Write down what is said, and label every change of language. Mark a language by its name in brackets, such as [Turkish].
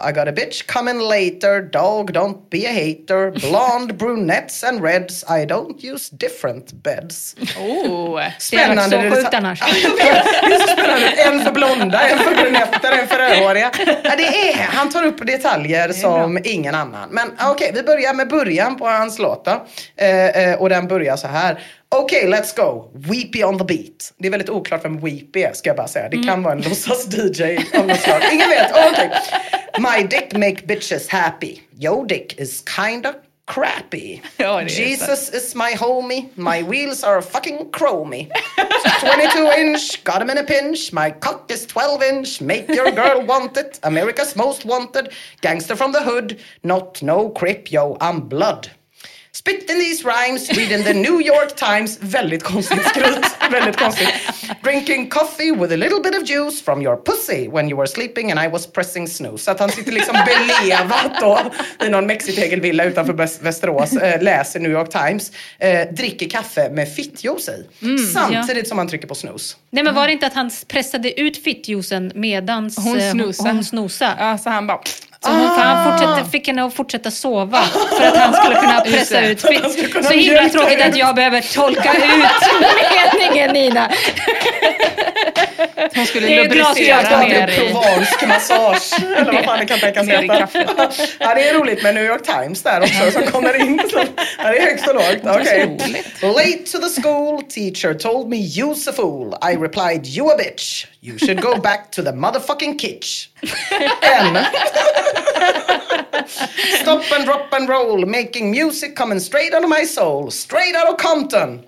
[English] I got a bitch coming later, dog don't be a hater. Blonde brunettes and reds, I don't use different beds. [Swedish] Oh, spännande. Det är så sjukt annars. Det är så spännande. En för blonda, en för brunetter, en för rödhåriga. Det är, han tar upp detaljer som ingen annan. Men okej, vi börjar med början på hans låta. Och den börjar så här. [English] Okay, let's go. Weepy on the beat. [Swedish] Det är väldigt oklart vem Weepy är, ska jag bara säga. Det kan vara en låtsas DJ av något slag. Ingen vet. Okay. [English] My dick make bitches happy. Yo dick is kinda crappy. Jesus is my homie. My wheels are fucking chromey. 22 inch, got him in a pinch. My cock is 12 inch. Make your girl want it. America's most wanted. Gangster from the hood. Not no crip, yo, I'm blood. Spitting these rhymes, reading the New York Times. [Swedish] Väldigt konstigt skrut. Väldigt konstigt. [English] Drinking coffee with a little bit of juice from your pussy when you were sleeping and I was pressing snooze. [Swedish] Så att han sitter liksom belevat då i någon mexitegelvilla utanför Västerås. Läser New York Times. Dricker kaffe med fittjuice i. Mm, samtidigt som han trycker på snooze. Nej, men var det inte att han pressade ut fittjuicen medans hon snusade? Ja, så han bara... Så han fick henne att fortsätta sova för att han skulle kunna pressa ut. Så himla tråkigt att jag behöver tolka ut meningen, Nina. Hon skulle lubricera ner i. Det är provansk massage. Eller vad fan det kan tänkas heta. Ja, det är roligt med New York Times där också som kommer in. Ja, det är högst och lågt. Okay. [English] Late to the school, teacher told me you's a fool. I replied, you a bitch. You should go back to the motherfucking kitch. Stop and drop and roll, making music coming straight out of my soul, straight out of Compton.